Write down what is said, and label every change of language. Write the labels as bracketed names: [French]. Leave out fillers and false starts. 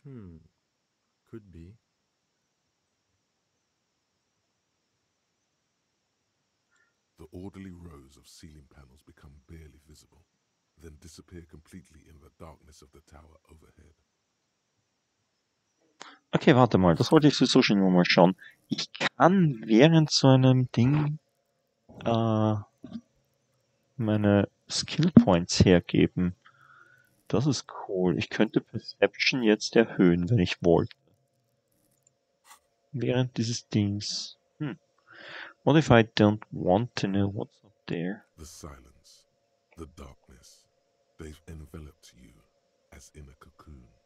[English] Hmm. Could be. The orderly rows of ceiling panels become barely visible, then disappear completely in the darkness of the tower overhead. [German] Okay, warte mal, das wollte ich sowieso schon mal schauen. Ich kann während so einem Ding meine Skillpoints hergeben. Das ist cool. Ich könnte Perception jetzt erhöhen, wenn ich wollte. Während dieses Dings. [English] What if I don't want to know what's up there? The silence, the darkness, they've enveloped you as in a cocoon.